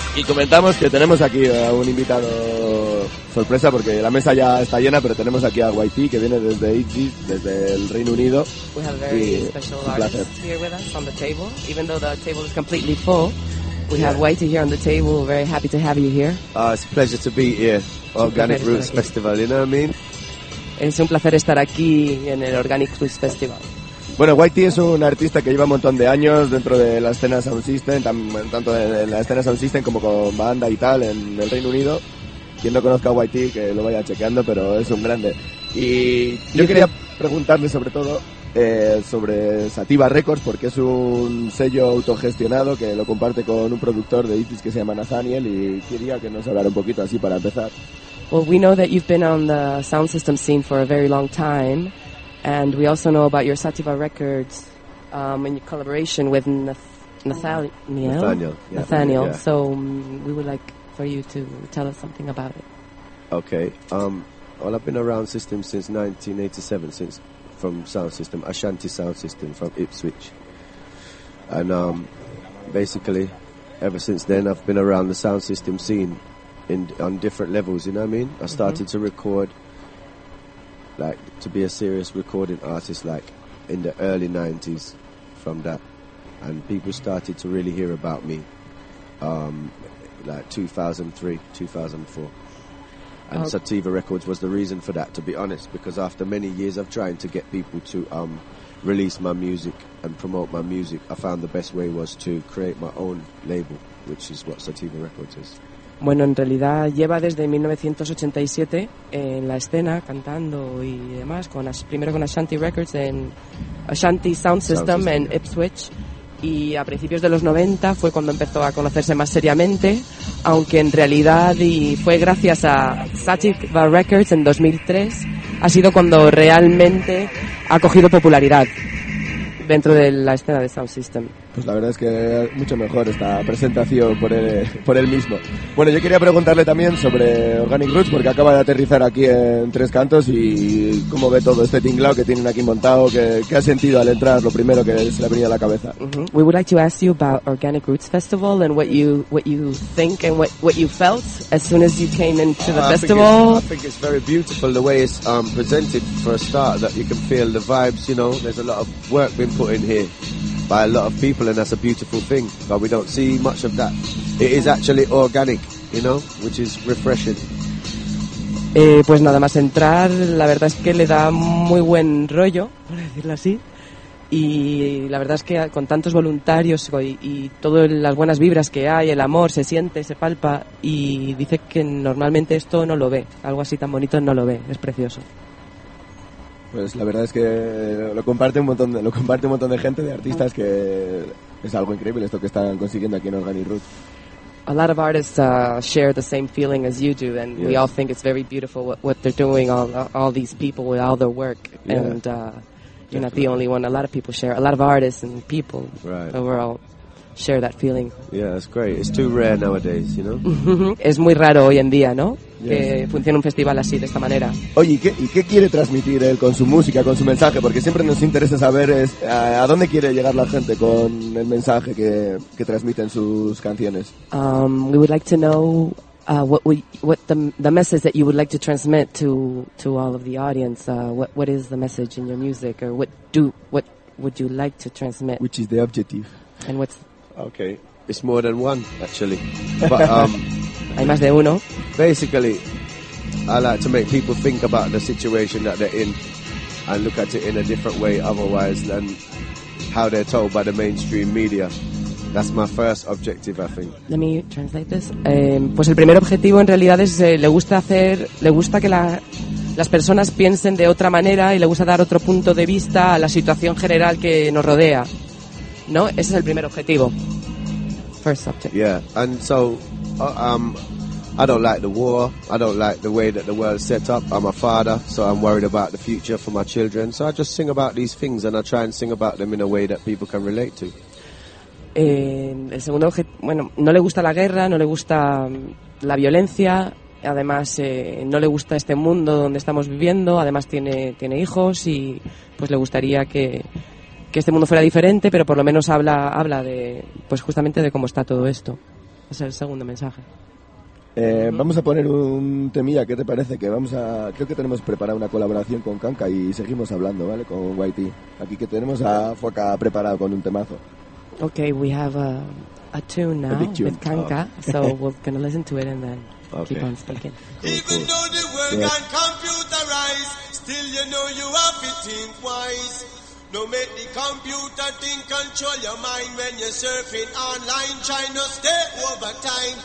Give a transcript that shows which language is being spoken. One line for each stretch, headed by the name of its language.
Spanish: Y comentamos que tenemos aquí a un invitado sorpresa, porque la mesa ya está llena, pero tenemos aquí a YT, que viene desde Itzy, desde el Reino Unido.
English: We have a very special artist here with us on the table. Even though the table is completely full, we have YT here on the table. We're very happy to have you here. It's a pleasure to be here. Organic Roots Festival, you know what I mean?
Spanish: Es un placer estar aquí en el Organic Roots Festival. Bueno, YT es un artista que lleva un montón de años dentro de la escena Sound System, tanto en la escena Sound System como con banda y tal en el Reino Unido. Quien no conozca a YT, que lo vaya chequeando, pero es un grande. Y yo quería preguntarle sobre todo sobre Sativa Records, porque es un sello autogestionado que lo comparte con un productor de Itzy que se llama Nathaniel, y quería que nos hablara un poquito así para empezar.
English: Well, we know that you've been on the Sound System scene for a very long time. And we also know about your Sativa Records and your collaboration with Nathaniel. Nathaniel. So we would like for you to tell us something about it. Okay. Well, I've been around System since 1987, from Sound System, Ashanti Sound System from Ipswich. And basically, ever since then, I've been around the Sound System scene on different levels, you know what I mean? I started to record, like, to be a serious recording artist, like, in the early 90s from that. And people started to really hear about me, like, 2003, 2004. And Sativa Records was the reason for that, to be honest, because after many years of trying to get people to release my music and promote my music, I found the best way was to create my own label, which is what Sativa Records is.
Spanish: Bueno, en realidad lleva desde 1987 en la escena, cantando y demás, primero con Ashanti Records, en Ashanti Sound System en Ipswich, y a principios de los 90 fue cuando empezó a conocerse más seriamente, aunque en realidad, y fue gracias a Sativa Records en 2003, ha sido cuando realmente ha cogido popularidad dentro de la escena de Sound System. Pues la verdad es que mucho mejor esta presentación por él mismo. Bueno, yo quería preguntarle también sobre Organic Roots, porque acaba de aterrizar aquí en Tres Cantos, y cómo ve todo este tinglao que tienen aquí montado, qué ha sentido al entrar, lo primero que se le ha venido a la cabeza.
English: We would like to ask you about Organic Roots Festival and what you think and what you felt as soon as you came into the festival. I think it's very beautiful the way it's presented for a start, that you can feel the vibes, you know, there's a lot of work being put in here by a lot of people, and that's a beautiful thing, but we don't see much of that. It is actually organic, you know, which is refreshing.
Spanish: Pues nada más entrar, la verdad es que le da muy buen rollo, por decirlo así, y la verdad es que con tantos voluntarios y todas las buenas vibras que hay, el amor se siente, se palpa, y dice que normalmente esto no lo ve, algo así tan bonito no lo ve, es precioso. Pues la verdad es que lo comparte un montón de gente, de artistas, que es algo increíble esto que están consiguiendo aquí en Organic Roots.
English: A lot of artists share the same feeling as you do, and we all think it's very beautiful what they're doing, all these people with all their work, and you're not the only one. A lot of people share, a lot of artists and people overall share that feeling. Yeah, that's great. It's too rare nowadays, you know?
Spanish: Es muy raro hoy en día, ¿no? Que funcione un festival así, de esta manera. Oye, ¿y qué quiere transmitir él con su música, con su mensaje? Porque siempre nos interesa saber a dónde quiere llegar la gente con el mensaje que transmiten sus canciones.
English: We would like to know what the message that you would like to transmit to all of the audience. What is the message in your music, or what would you like to transmit? Which is the objective? And what's... Okay, it's more than one, actually. But
Spanish: hay más de uno.
English: Basically, I like to make people think about the situation that they're in and look at it in a different way otherwise than how they're told by the mainstream media. That's my first objective, I think. Let me translate this.
Spanish: Pues el primer objetivo en realidad es le gusta que las personas piensen de otra manera, y le gusta dar otro punto de vista a la situación general que nos rodea. No, ese es el primer objetivo.
English: First subject. Yeah, and so I don't like the war. I don't like the way that the world's set up. I'm a father, so I'm worried about the future for my children. So I just sing about these things, and I try and sing about them in a way that people can relate to.
Spanish: El segundo objetivo, bueno, no le gusta la guerra, no le gusta la violencia. Además, no le gusta este mundo donde estamos viviendo. Además, tiene hijos, y pues le gustaría que este mundo fuera diferente, pero por lo menos habla de, pues justamente, de cómo está todo esto. Es el segundo mensaje. Vamos a poner un temilla, ¿qué te parece? Que vamos a, creo que tenemos preparada una colaboración con Kanka y seguimos hablando, ¿vale? Con YT. Aquí que tenemos a Foca preparado con un temazo.
English: Okay, we have a tune now with Kanka, so we're gonna listen to it and then keep on speaking. Even though the world can computerize, still you know you have it in wise. No make the computer thing control your mind when you're surfing online, trying to stay over time.